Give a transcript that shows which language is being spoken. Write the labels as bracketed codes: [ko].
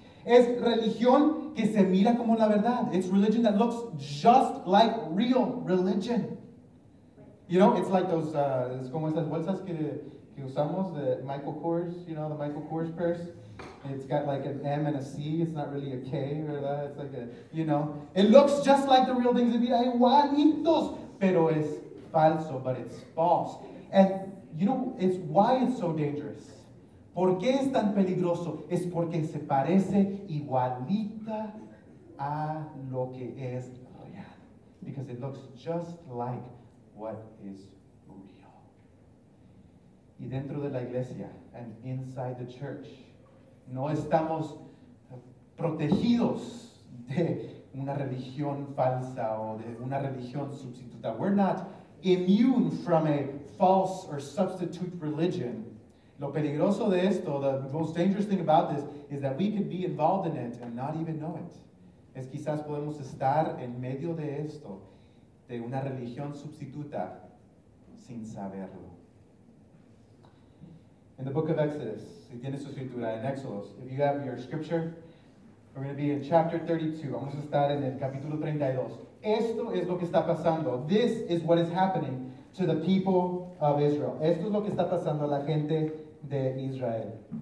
[es] Es religión que se mira como la verdad. [en] It's religion that looks just like real religion. You know, it's like those, [es] es como esas bolsas que usamos, [en] the Michael Kors, you know, the Michael Kors purse. It's got like an M and a C. It's not really a K, ¿verdad? It's like a, you know. It looks just like the real things. [es] Mira, igualitos. Pero es falso, [en] but it's false. And, you know, it's why it's so dangerous. [es] ¿Por qué es tan peligroso? Es porque se parece igualita a lo que es real. [en] Because it looks just like what is real. [es] Y dentro de la iglesia, [en] and inside the church, [es] no estamos protegidos de una religión falsa o de una religión sustituta. [en] We're not immune from a false or substitute religion. [es] Lo peligroso de esto, [en] the most dangerous thing about this, is that we could be involved in it and not even know it. [es] Es quizás podemos estar en medio de esto, de una religión sustituta, sin saberlo. [en] In the book of Exodus, [es] si tienes su escritura en Exodus, [en] if you have your scripture, we're going to be in chapter 32. [es] Vamos a estar en el capítulo 32. Esto es lo que está pasando. [en] This is what is happening to the people of Israel. [es] Esto es lo que está pasando a la gente de Israel.